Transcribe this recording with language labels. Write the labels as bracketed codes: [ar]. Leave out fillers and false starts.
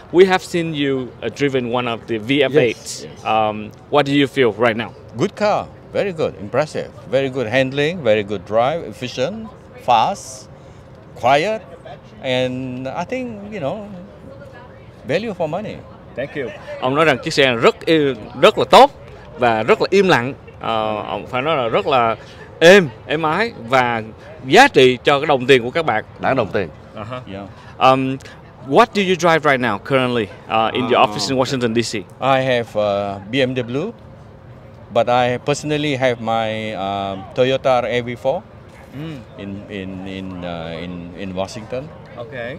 [en] We have seen you driven one of the VF8s. Yes. What do you feel right now? Good car. Very good. Impressive. Very good handling. Very good drive. Efficient. Fast. Quiet. And I think, you know, value for money. Thank you. [vi] Ông nói rằng chiếc xe rất là tốt và rất là im lặng. Ông phải nói là rất là êm ái và giá trị cho cái đồng tiền của các bạn. Đáng đồng tiền. Uh-huh. Yeah. [en] What do you drive right now currently in your office in Washington DC? I have a BMW, but I personally have my Toyota RAV4 in Washington. Okay.